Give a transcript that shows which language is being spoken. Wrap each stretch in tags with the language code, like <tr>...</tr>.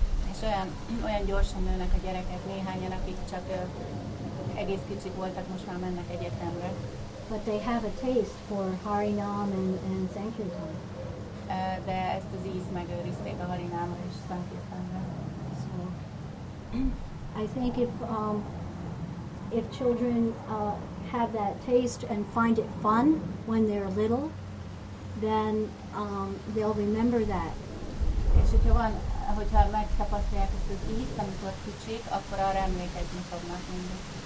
<hu>És olyan gyorsan nőnek a gyerekek, néhányan, akik csak egész kicsik voltak, most már mennek egyetemre.</hu> <en>But they have a taste for Harinam and Sankirtan.</en> <hu>De ezt az ízt megőrizték a Harinámra és Sankirtanra.</hu> <en>So, I think if children have that taste and find it fun when they're little, then they'll remember that.</en> <hu>És hogyha megtapasztalják ezt az ízt, amikor kicsik, akkor arra emlékezni fognak mindig.</hu>